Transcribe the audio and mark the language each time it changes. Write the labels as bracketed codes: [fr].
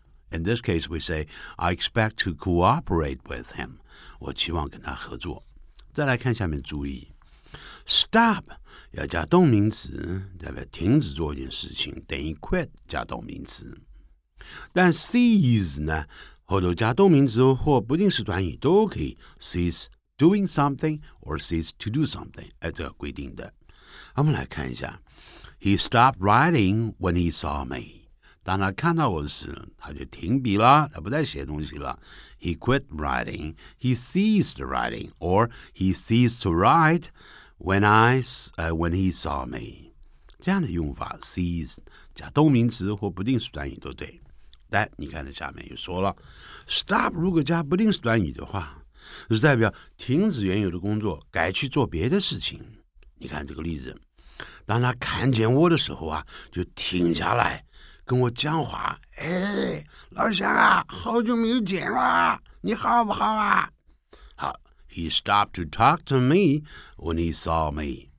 [en] In this case, we say I expect to cooperate with him。 [zh] 我期望跟他合作。再来看下面注意 ，stop。要加动名词代表停止做一件事情，等于 quit 加动名词。但 cease 呢，后头加动名词或不定式短语都可以， [en] cease doing something or cease to do something， [zh] 这个规定的。我们来看一下， [en] He stopped writing when he saw me， [zh] 当他看到我时他就停笔了，他不再写东西了。 [en] He quit writing， He ceased writing， or He ceased to writeWhen he saw me， [zh] 这样的用法 [en] ，sees [zh] 加动名词或不定式短语都对。但你看的下面又说了 ，stop 如果加不定式短语的话，是代表停止原有的工作，改去做别的事情。你看这个例子，当他看见我的时候啊，就停下来跟我讲话。哎，老乡啊，好久没有见了，你好不好啊？ [en] He stopped to talk to me when he saw me.